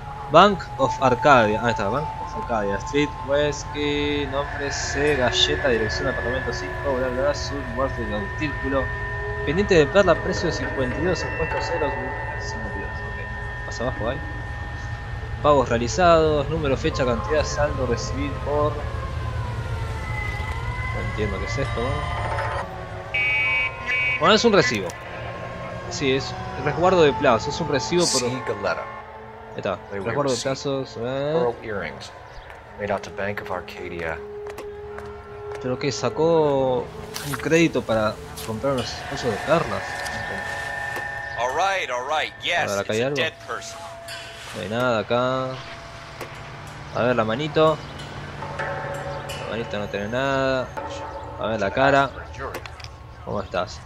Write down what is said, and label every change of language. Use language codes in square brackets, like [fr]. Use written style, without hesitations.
[es] Bank of Arcadia, ahí está, Bank of Arcadia, Street, Whiskey, nombre C, galleta, dirección apartamento 5, bla bla, suborno de artículo, pendiente de perla, precio de 52, impuesto 0, 52, ok, pasa abajo ahí, pagos realizados, número, fecha, cantidad, saldo, recibir por, no entiendo qué es esto, ¿no? Bueno, es un recibo, sí, es resguardo de plazo, es un recibo por... [en] They wear pearl earrings, made out to Bank of Arcadia. [es] Pero que sacó un crédito para comprar unos osos de perlas. [en] All right. Yes. [es] A ver, acá hay algo. [en] Dead person. [es] No hay nada acá. A ver la manito. La manita no tiene nada. A ver la cara. ¿Cómo estás?